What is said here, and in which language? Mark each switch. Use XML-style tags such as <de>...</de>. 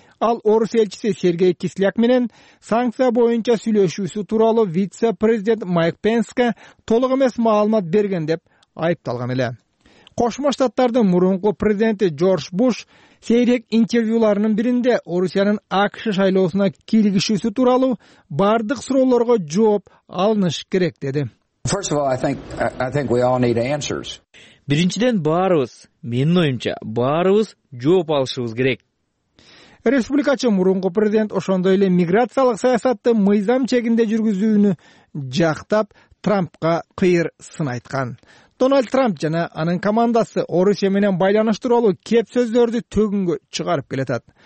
<ky>Ал орус элчиси Сергей Кисляк менен санкция боюнча сүйлөшүүсү тууралуу вице-президент Майк Пенске толук эмес маалымат берген деп айыпталган эле. Кошмо Штаттардын мурунку президенти Джордж Буш сейрек интервьюларынын биринде Орусиянын АКШ шайлоосуна киригишүүсү тууралуу бардык суроолорго жооп алыныш керек деди.</ky> <en>First of all, I think we all need answers.</en> <ky>Биринчиден баарыбыз, менин оюмча, баарыбыз жооп алышыбыз керек. Республикачы мурунку президент ошондой эле миграциялык саясатты мыйзам чегинде жүргүзүүнү жактап, Трампка кыйыр сын айткан. Дональд Трамп жана анын командасы Орусия менен байланыштыруулуу кеп сөздөрдү төгүнгө чыгарып келатат.</ky>